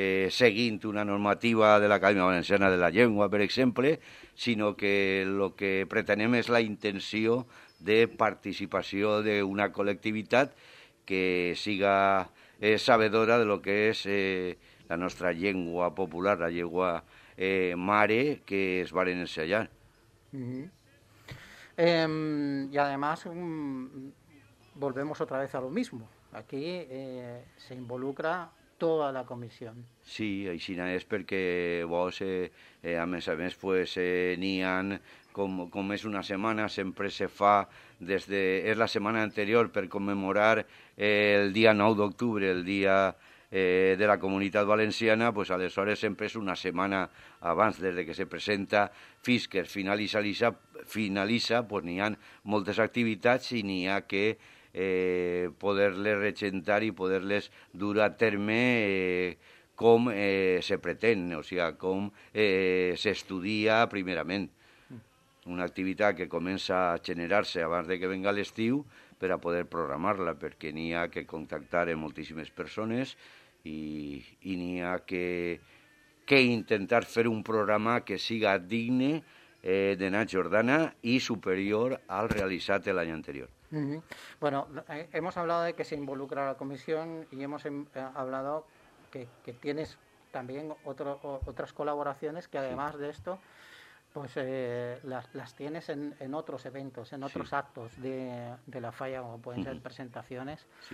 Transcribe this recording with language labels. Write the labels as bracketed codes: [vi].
[ca] seguint una normativa de l'Acadèmia Valenciana de la Llengua, per exemple, sinó que el que pretenem és la intenció de participació d'una col·lectivitat que siga sabedora de lo que és la nostra llengua popular, la llengua mare, que es va ensenyar. Mm-hmm. [es] I, además, volvemos otra vez a lo mismo. Aquí se involucra toda la comisión. [ca] Sí, així no és, perquè vos, a més, pues, n'hi ha, com és una setmana, sempre se fa, és la setmana anterior per commemorar el dia 9 d'octubre, el dia de la Comunitat Valenciana, pues, aleshores sempre és una setmana abans, des que se presenta fins que es finalitza, pues, n'hi ha moltes activitats i n'hi ha que poder-les regentar i poder-les dur a terme com se pretén, o sigui, com s'estudia primerament. Una activitat que comença a generar-se abans de que venga l'estiu per a poder programar-la, perquè n'hi ha que contactar amb moltíssimes persones i n'hi ha que intentar fer un programa que siga digne d'anar a Jordana i superior al realitzat l'any anterior. Uh-huh. [es] Bueno, hemos hablado de que se involucra la comisión y hemos hablado que tienes también otras colaboraciones que, además de esto, pues las tienes en otros eventos, en otros actos de la falla, como pueden ser presentaciones.